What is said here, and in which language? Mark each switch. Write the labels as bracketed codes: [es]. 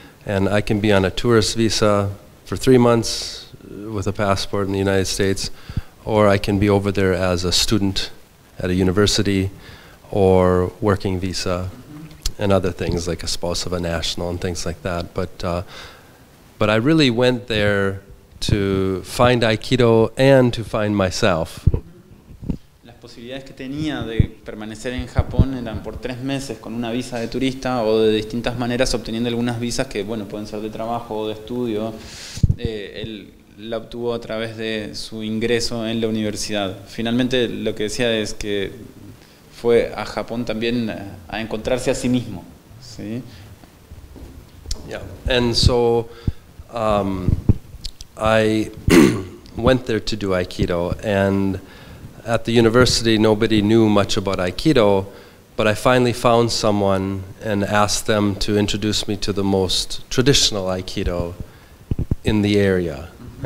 [en] And I can be on a tourist visa for 3 months with a passport in the United States, or I can be over there as a student at a university, or working visa, and other things like a spouse of a national and things like that. But I really went there to find Aikido and to find myself. [es] Posibilidades que tenía de permanecer en Japón eran por 3 meses con una visa de turista o de distintas maneras obteniendo algunas visas que, bueno, pueden ser de trabajo o de estudio. Él la obtuvo a través de su ingreso en la universidad. Finalmente, lo que decía es que fue a Japón también a encontrarse a sí mismo. ¿Sí? [en] Yeah. And so, I went there to do Aikido, and at the university, nobody knew much about Aikido, but I finally found someone and asked them to introduce me to the most traditional Aikido in the area. Mm-hmm.